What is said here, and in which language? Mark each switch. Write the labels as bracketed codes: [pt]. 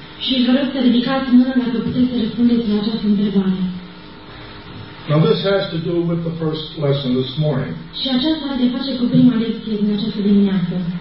[ro] Și vă rog să ridicați mâna dacă puteți să răspundeți la această întrebare. [en] Now this has to do with the first lesson this morning. [ro] Și aceasta are de face cu prima lecție din această dimineață.